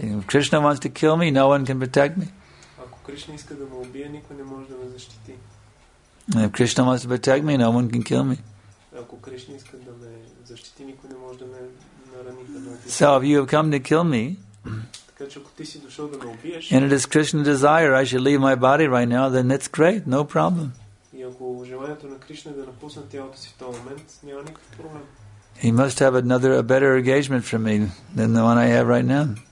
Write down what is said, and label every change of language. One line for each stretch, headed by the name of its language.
English: If Krishna wants to kill me, no one can protect me.
Bulgarian: Ако Кришна иска да ме убие, никой не може да ме защити.
English: If Krishna wants to protect me, no one can kill me.
Bulgarian: Ако Кришна иска да ме защити, никой не може да ме нарани.
English: So if you have come to kill me,
Bulgarian: така че ако ти си дошъл да ме убиеш,
English: and it is Krishna's desire I should leave my body right now, then that's great, no problem.
Bulgarian: И ако желанието на Кришна е да напусна тялото си в този момент, няма никакъв проблем.
English: He must have another, a better engagement for me than the one I have right now.